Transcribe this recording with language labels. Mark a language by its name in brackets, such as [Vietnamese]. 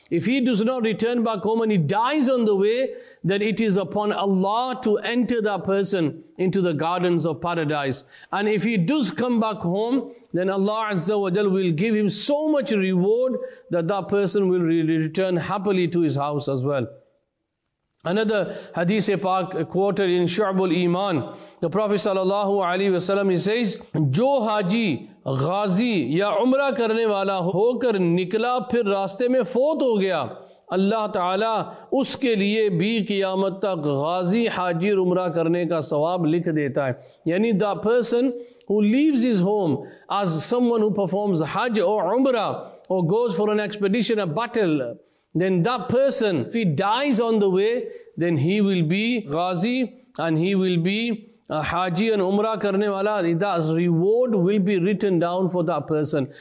[English] If he does not return back home and he dies on the way, then it is upon Allah to enter that person into the gardens of paradise. And if he does come back home, then Allah Azza wa Jal will give him so much reward that that person will return happily to his house as well. Another hadith pak quoted in Shu'bul Iman, the Prophet sallallahu alaihi wasallam, he says, [Urdu] jo haji غازی یا عمرہ کرنے والا ہو کر نکلا پھر راستے میں فوت ہو گیا, اللہ تعالیٰ اس کے لیے بھی قیامت تک غازی حاجی عمرہ کرنے کا ثواب لکھ دیتا ہے. [English] یعنی the person who leaves his home as someone who performs حج or عمرہ or goes for an expedition, a battle, then that person, if he dies on the way, then he will be غازی and he will be Haji and [Urdu] Umrah karne wala, [English] that reward will be written down for that person.